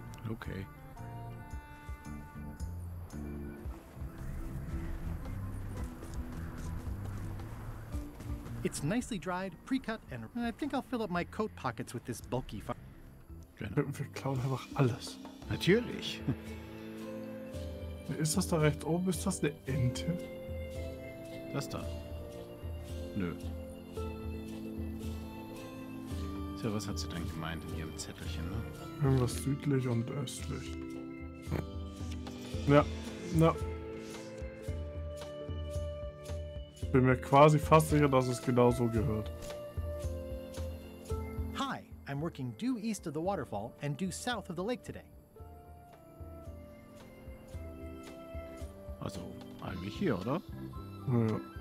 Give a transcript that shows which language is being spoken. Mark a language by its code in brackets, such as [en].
[en] Okay. It's nicely dried, pre-cut, and I think I'll fill up my coat pockets with this bulky [de] Wir klauen einfach alles. Natürlich. Ist das da rechts oben? Ist das eine Ente? Das da. Nö. So, was hat sie denn gemeint in ihrem Zettelchen, ne? Irgendwas südlich und östlich. Ja, na. Bin mir quasi fast sicher, dass es genau so gehört. [en] Hi, I'm working due east of the waterfall and due south of the lake today. [de] Also, eigentlich hier, oder? Ja.